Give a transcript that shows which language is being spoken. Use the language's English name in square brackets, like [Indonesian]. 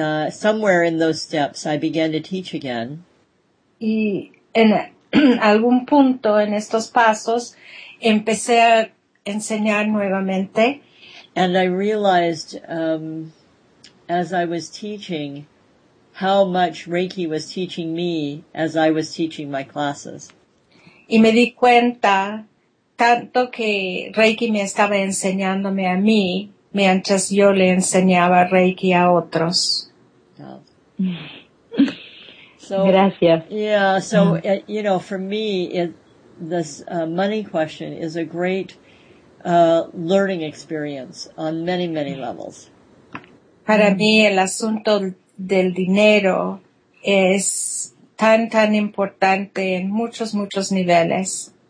[English] Somewhere in those steps, I began to teach again. [Spanish] Y en algún punto en estos pasos, empecé a enseñar nuevamente. [English] And I realized, as I was teaching, how much Reiki was teaching me as I was teaching my classes. [Spanish] Y me di cuenta tanto que Reiki me estaba enseñándome a mí mientras yo le enseñaba Reiki a otros. [English] So, gracias. Yeah, so, you know, for me, this money question is a great learning experience on many, many levels. [Spanish] Para mí el asunto del dinero es tan, tan importante en muchos, muchos niveles.